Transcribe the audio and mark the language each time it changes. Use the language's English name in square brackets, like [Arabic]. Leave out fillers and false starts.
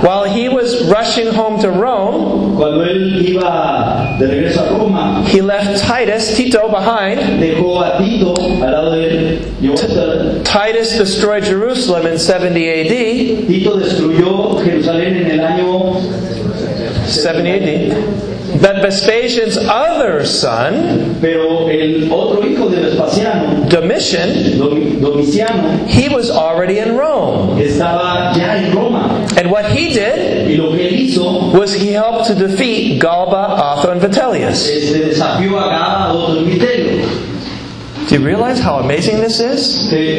[English] while he was rushing home to Rome, [Spanish] cuando él iba de regreso a Roma, [English] he left Titus, Tito, behind. [Spanish] Dejó a Tito al lado de él. [English] Titus destroyed Jerusalem in 70 AD. [Spanish] Tito destruyó Jerusalén en el año [English] 70 AD. But Vespasian's other son, [Spanish] pero el otro hijo de Vespasiano, [English] Domitian, he was already in Rome. [Spanish] Estaba ya en Roma. [English] And what he did, [Spanish] y lo que él hizo, [English] was he helped to defeat Galba, Otho, and Vitellius. [Spanish] Se desafió a Galba, Otho, y Vitellius. [English] Do you realize how amazing this is?